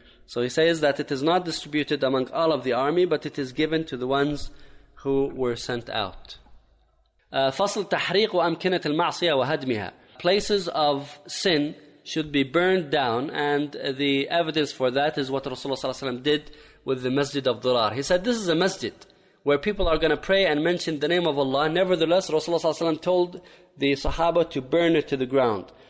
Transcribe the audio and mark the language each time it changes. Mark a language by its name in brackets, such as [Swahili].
[English] So he says that it is not distributed among all of the army, but it is given to the ones who were sent out. [Arabic] فصل تحريق أمكنة المعصية وهدمها. [English] Places of sin should be burned down, and the evidence for that is what Rasulullah ﷺ did with the Masjid of Dhurar. He said, this is a masjid where people are going to pray and mention the name of Allah. Nevertheless, Rasulullah ﷺ told the Sahaba to burn it to the ground.